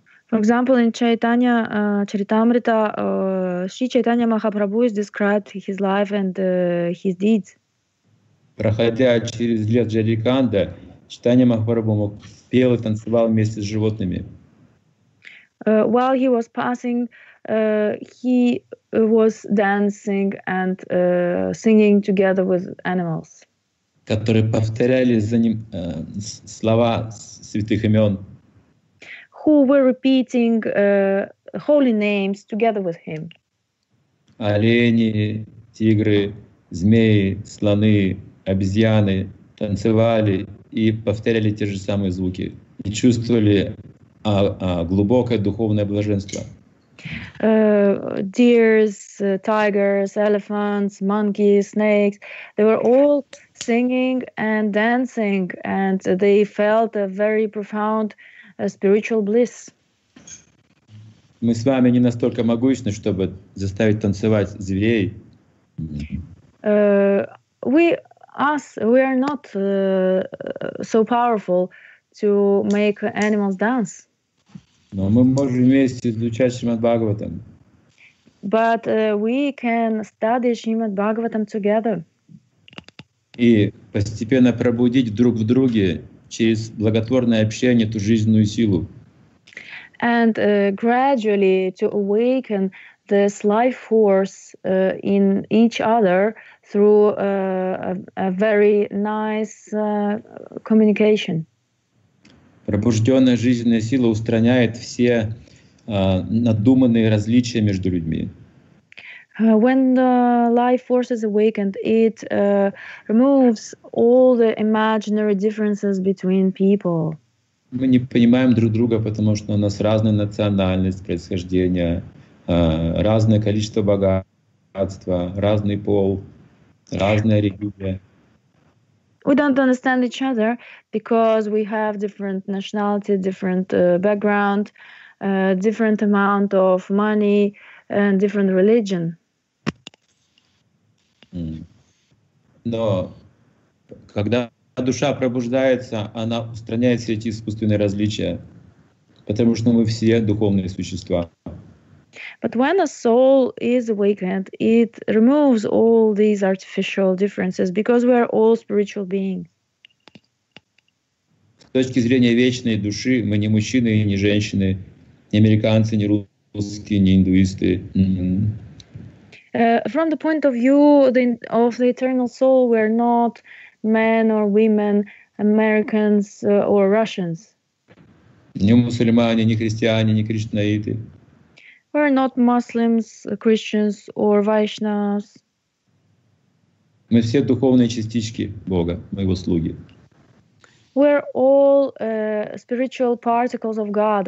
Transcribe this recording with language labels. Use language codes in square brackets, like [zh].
[en] For example, in Chaitanya Charitamrita, Shri Chaitanya Mahaprabhu is described his life and his deeds. [ru] Проходя через лес Джариканда, Чайтанья Махапрабху пел и танцевал вместе с животными. [en] While he was passing, he was dancing and singing together with animals. [ru] Которые повторяли за ним слова святых имен. [en] Who were repeating holy names together with him. [ru] Олени, тигры, змеи, слоны, обезьяны танцевали и повторяли те же самые звуки. И чувствовали глубокое духовное блаженство. [en] Deers, tigers, elephants, monkeys, snakes, they were all singing and dancing, and they felt a very profound spiritual bliss. [ru] Мы с вами не настолько могущественны, чтобы заставить танцевать зверей. [en] We are not so powerful to make animals dance. [ru] Но мы можем вместе изучать Шримад-Бхагаватам. [en] But we can study Шримад-Бхагаватам together. [ru] И постепенно пробудить друг в друге через благотворное общение эту жизненную силу. [en] And gradually to awaken this life force in each other through a very nice communication. [ru] Пробужденная жизненная сила устраняет все надуманные различия между людьми. [en] When the life force is awakened, it removes all the imaginary differences between people. [ru] Мы не понимаем друг друга, потому что у нас разная национальность, происхождение, разное количество богатства, разный пол, разная религия. [en] We don't understand each other because we have different nationality, different background, different amount of money, and different religion. [ru] Но когда душа пробуждается, она устраняет все эти искусственные различия, потому что мы все духовные существа. [en] But when a soul is awakened, it removes all these artificial differences because we are all spiritual beings. [ru] С точки зрения вечной души, мы не мужчины и не женщины, не американцы, не русские, не индуисты. [en] From the point of view of the eternal soul, we are not men or women, Americans or Russians. [ru] Не мусульмане, не христиане, не кришнаиты. [en] We are not Muslims, Christians, or Vaishnavas. [ru] Мы все духовные частички Бога, мы его слуги. [en] We are all spiritual particles of God.